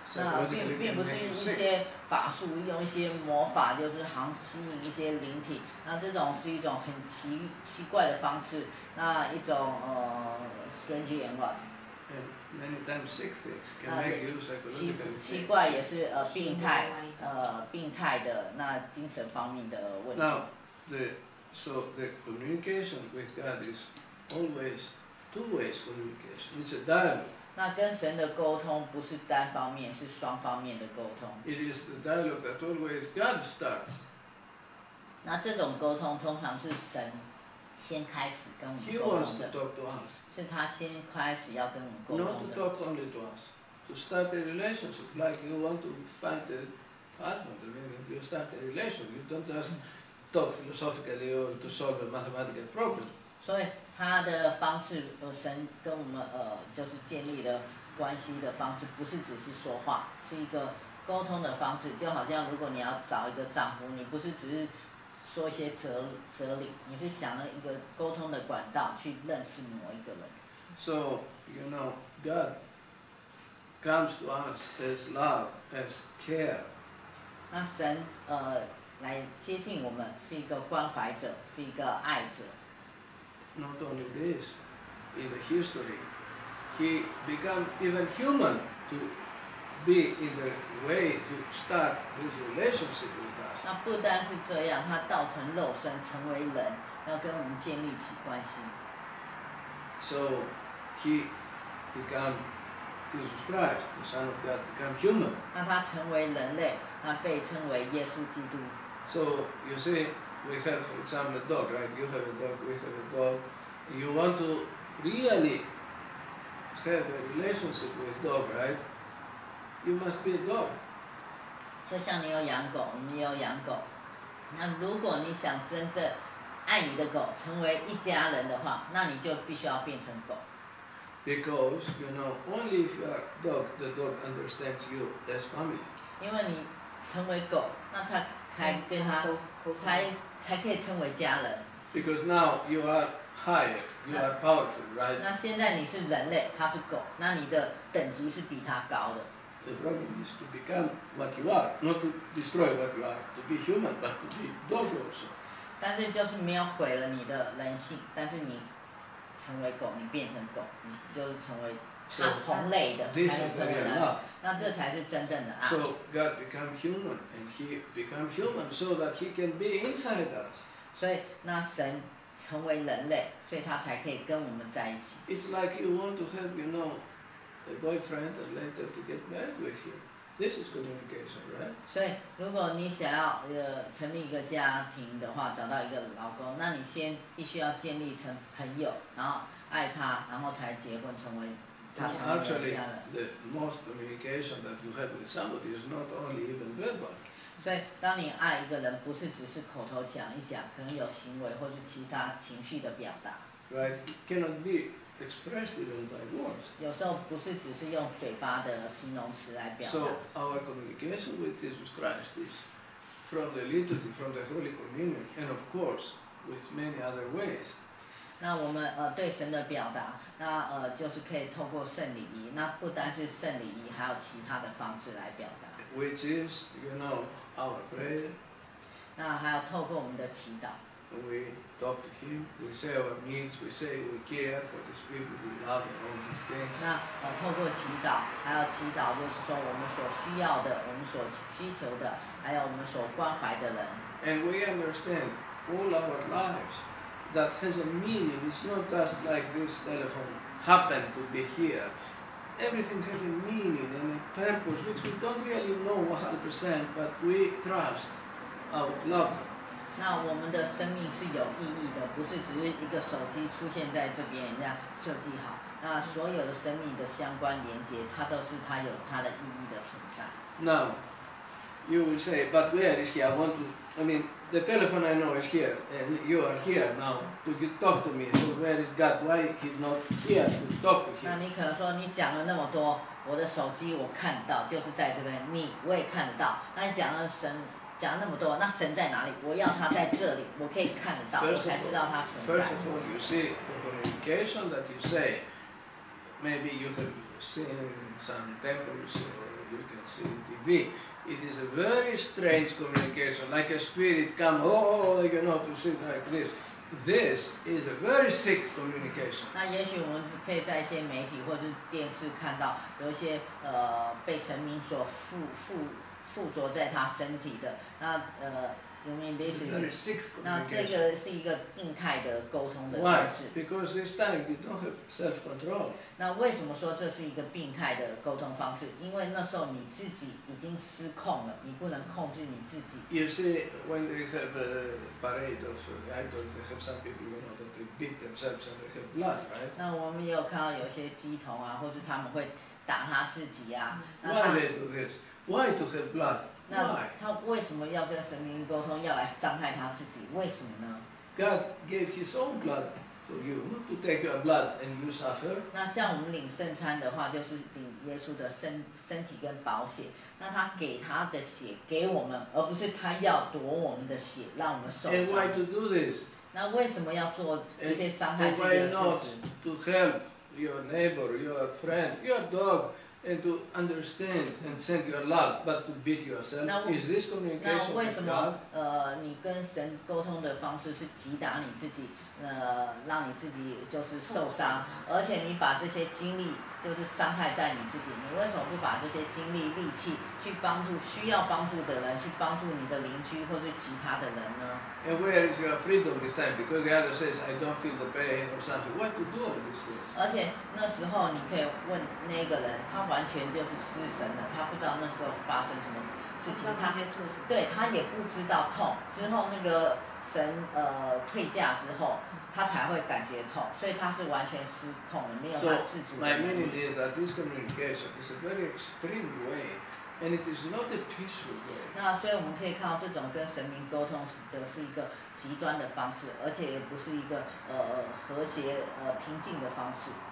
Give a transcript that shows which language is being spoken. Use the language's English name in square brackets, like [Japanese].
[Chinese] 那并不是用一些法术，用一些魔法，就是好像吸引一些灵体。那这种是一种很奇怪的方式，那一种 [English] strange and what? And many times sick things can make you psychologically sick. [Chinese] 奇怪也是病态的那精神方面的问题。 [English] Now, the communication with God is always two ways communication. It's a dialogue. [Chinese] 那跟神的沟通不是单方面，是双方面的沟通。 [English] It is the dialogue that always God starts. [Chinese] 那这种沟通通常是神。先开始跟我们沟通的 [English] He wants to talk to us. [Chinese] 是他先开始要跟我们沟通的 [English] Not to talk only to us To start a relationship Like you want to find a husband You start a relationship You don't just talk philosophically Or to solve a mathematical problem [Chinese] 所以他的方式神跟我们就是建立的关系的方式不是只是说话是一个沟通的方式就好像如果你要找一个丈夫你不是只是说一些哲理，你是想了一个沟通的管道去认识某一个人。 [English] So you know, God comes to us as love, as care. [Chinese] 那神来接近我们，是一个关怀者，是一个爱者。 [English] Not only this, in the history, he became even human to. Be in the way to start this relationship with us. [Chinese] 那不单是这样，他道成肉身，成为人，要跟我们建立起关系。 [English] So he became Jesus Christ, the Son of God, became human. [Chinese] 那他成为人类，那被称为耶稣基督。 [English] So you see, we have, for example, a dog, right? You have a dog, we have a dog. You want to really have a relationship with dog, right? You must be a dog. [Chinese] 就像你有养狗，我们也有养狗。那如果你想真正爱你的狗，成为一家人的话，那你就必须要变成狗。 [English] Because you know, only if you are dog, the dog understands you as family. [Chinese] 因为你成为狗，那他才跟他才可以称为家人。 [English] Because now you are higher, you are powerful, right? [Chinese] 那现在你是人类，他是狗，那你的等级是比他高的。 [English] The problem is to become what you are, not to destroy what you are, to be human, but to be dog also. [Chinese] 但是就是没有毁了你的人性，但是你成为狗，你变成狗，你就成为。同类的，才能成为人。那这才是真正的爱。 [English] So God become human, and He become human so that He can be inside us. [Chinese] 所以那神成为人类，所以他才可以跟我们在一起。 [English] It's like you want to have, you know, a boyfriend and later to get married with you. This is communication, right? [Chinese] 所以如果你想要成立一个家庭的话，找到一个老公，那你先必须要建立成朋友，然后爱他，然后才结婚成为。 [English] Actually, the most communication that you have with somebody is not only even verbal. [Chinese] 所以，当你爱一个人，不是只是口头讲一讲，可能有行为或是其他情绪的表达。 [English] Right, it cannot be expressed even by words. [Chinese] 有时候不是只是用嘴巴的形容词来表达。 [English] So our communication with Jesus Christ is from the liturgy, from the Holy Communion, and of course, with many other ways. [Chinese] 那我们对神的表达，那就是可以透过圣礼仪，那不单是圣礼仪，还有其他的方式来表达。 [English] Which is, you know, our prayer. [Chinese] 那还有透过我们的祈祷。 [English] We talk to Him. We say our needs. We say we care for these people. We love and all these things. [Chinese] 那透过祈祷，还有祈祷，就是说我们所需要的，我们所需求的，还有我们所关怀的人。 [English] And we understand all our lives. That has a meaning. It's not just like this telephone happened to be here. Everything has a meaning and a purpose, which we don't really know 100%, but we trust our love. [Chinese] 那我们的生命是有意义的，不是只是一个手机出现在这边，人家设计好。那所有的生命的相关连接，它都是它有它的意义的存在。 [English] Now, you will say, but where is he? The telephone I know is here, and you are here now to talk to me. So where is God? Why he's not here to talk to him? [Chinese] 那你可能说你讲了那么多，我的手机我看到，就是在这边，你我也看得到。那你讲了神，讲了那么多，那神在哪里？我要他在这里，我可以看得到，我才知道他存在。 [English] First of all, you see the communication that you say. Maybe you have seen some temples, or you can see in TV. It is a very strange communication, like a spirit come, you know, to sit like this. This is a very sick communication. [Chinese] 那也许我们可以在一些媒体或者电视看到有一些被神明所附着在他身体的。 [English] 那you mean this is very sick communication. [Chinese] 那这个是一个病态的沟通的方式。 [English] Why? Because this time you don't have self-control. [Chinese] 那为什么说这是一个病态的沟通方式？因为那时候你自己已经失控了，你不能控制你自己。 [English] You see, when they have a parade of idols, they have some people, you know, that they beat themselves and they have blood, right? [Chinese] 那我们也有看到有些鸡童啊，或是他们会打他自己啊。 [English] Why they do this? Why to have blood? [Chinese] 那他为什么要跟神明沟通，要来伤害他自己？为什么呢 [English] ？God gave His own blood for you to take your blood and you suffer. [Chinese] 那像我们领圣餐的话，就是领耶稣的身体跟宝血。那他给他的血给我们，而不是他要夺我们的血，让我们受伤。 [English] And why to do this? [Chinese] 那为什么要做这些伤害自己的事情 [English] ？And why not to help your neighbor, your friend, your dog? And to understand and send your love, but to beat yourself. Is this communication with God? [Chinese] 那为什么你跟神沟通的方式是击打你自己，让你自己就是受伤，而且你把这些精力就是伤害在你自己。你为什么不把这些精力力气去帮助需要帮助的人，去帮助你的邻居或是其他的人呢 [English] ？And where is your freedom this time? Because the other says I don't feel the pain or something. What to do all these things? [Chinese] 而且那时候你可以问那个人，他完全就是失神了，他不知道那时候发生什么事情，他先猝死，对他也不知道痛。之后那个。神退驾之后，他才会感觉痛，所以他是完全失控的，没有他自主的能力。 [English] So my meaning is that this communication is a very extreme way, and it is not a peaceful way. [Chinese] 那所以我们可以看到，这种跟神明沟通的是一个极端的方式，而且也不是一个和谐平静的方式。